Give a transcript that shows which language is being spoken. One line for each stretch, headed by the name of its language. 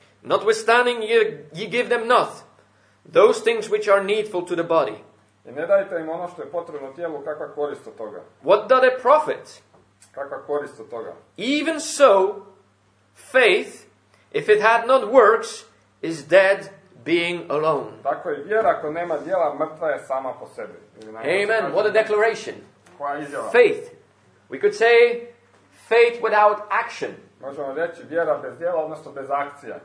English: notwithstanding ye give them not those things which are needful to the body,
Croatian: i ne dajte im ono što je potrebno tijelu, kakva korist od toga?
English: What doth it profit?
Croatian: Kakva korist od toga?
English: Even so, faith, if it had not works, is dead being alone.
Croatian: Tako je, vjera ako nema djela, mrtva je sama po sebi.
English: Amen. What a declaration.
Croatian: Koja izjava?
English: Faith. We could say faith without action.
Croatian: Možemo reći vjera bez djela, odnosno bez akcija.